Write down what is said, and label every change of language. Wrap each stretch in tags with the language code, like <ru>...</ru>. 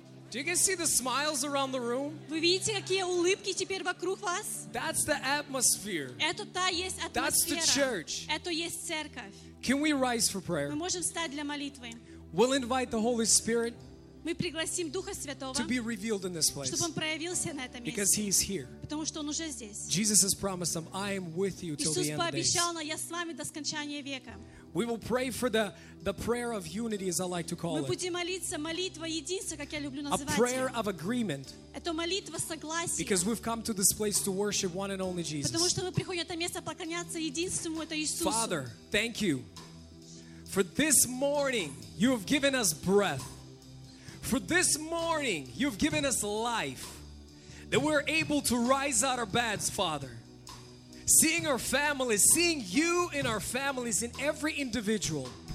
<en>Do you guys see the smiles around the room?</en> <ru>Вы видите, какие улыбки теперь вокруг вас?</ru> <en>That's the atmosphere.</en> <ru>Это та есть атмосфера.</ru> <en>That's the church.</en> <ru>Это есть церковь.</ru> <en>Can we rise for prayer?</en> <ru>Мы можем встать для молитвы.</ru> <en>We'll invite the Holy Spirit.</en> <ru>Мы пригласим Духа Святого,</ru> <en>to be revealed in this place,</en> <ru>чтобы Он проявился на этом</ru> <en>because</en> <ru>месте,</ru> <en>He's here.</en> <ru>Потому что Он уже здесь.</ru> <en>Jesus has promised them, I am with you till</en> <ru>Иисус</ru> <en>the end</en> <ru>пообещал,</ru> <en>of days.</en> <ru>Я с вами до скончания века.</ru> <en>We will pray for the prayer of unity, as I like to call it.</en> <ru>Мы будем молиться молитва единства, как я люблю называть.</ru> <en>A prayer of agreement.</en> <ru>Это молитва согласия.</ru> <en>Because we've come to this place to worship one and only Jesus.</en> <ru>Потому что мы приходим в это место поклоняться единственному, это Иисусу.</ru> <en>Father, thank you for this morning. You have given us breath. For this morning, you've given us life, that we're able to rise out of beds, Father. Seeing our families, seeing you in our families, in every individual.</en>